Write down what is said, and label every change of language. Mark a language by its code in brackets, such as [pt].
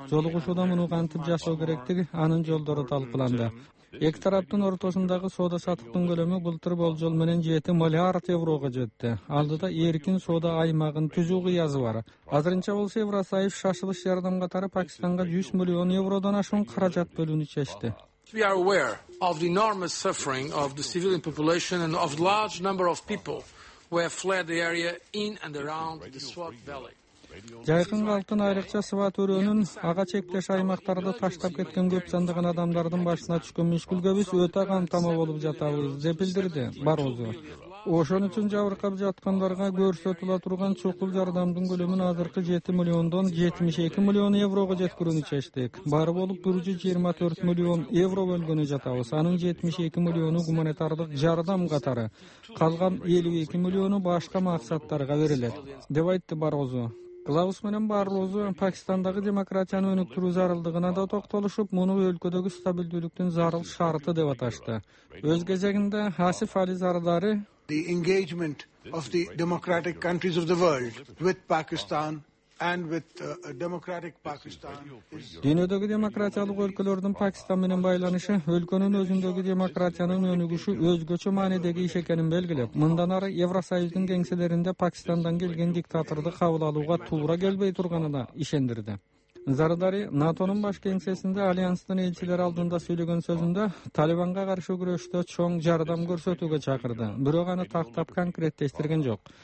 [ky] Жолугушууда муну кантип жасоо керектиги анын жолдору талкууланды. Эки тараптын ортосундагы соода саттыктын көлөмү былтыр болжол менен 7 миллиард еврого жетти. Алдыда эркин соода аймагын түзүү кыязы бар. Азырынча болсо Евросоюз шашылыш жардам катары Пакистанга 100 миллион евродон ашуун каражат бөлүүнү чечти. [en] We are aware of the enormous suffering of the civilian population and of large number of people who have fled the area in and around the Swat Valley. [ky] Жайкын калктын айрыкча Сват өрөөнүн ага чектеш аймактарды таштап кеткен көп сандыгын адамдардын башына түшкөн мүшкүлгө биз өтө кам тама болуп жатабыз деп билдирди Барозу. Ошон үчүн жабыркап жаткандарга көрсөтүлө турган чукул жардамдын көлөмүн азыркы 7 миллиондон 72 миллион еврого жеткирүүнү чечтик. Бары болуп 124 миллион евро бөлгөнү жатабыз. Анын 72 миллиону гуманитардык жардам катары, калган 52 миллиону башка максаттарга берилет, деп айтты Барозу. Клаус менен Барлоозу Пакистандагы демократияны өнүктүрүү зарылдыгына да токтолушуп, муну өлкөдөгү стабилдүүлүктүн зарыл шарты деп аташты. Өз кезегинде Асиф Али зарылдары [en] The engagement of the democratic countries of the world with Pakistan and with democratic Pakistan [ky] Дүйнөдөгү демократиялык өлкөлөрдүн Пакистан менен байланышы өлкөнүн өзүндөгү демократиянын өнүгүшү өзгөчө маанидеги иш экенин белгилеп, мындан ары Евросоюздун кеңселеринде Пакистандан келген диктаторду кабыл алууга туура келбей турганына ишендирди. Зардари НАТОнун баш кеңсесинде альянстын элчилери алдында сүйлөгөн сөзүндө Талибанга каршы күрөштө чоң жардам көрсөтүүгө чакырды, бирок аны тактап конкреттештирген жок.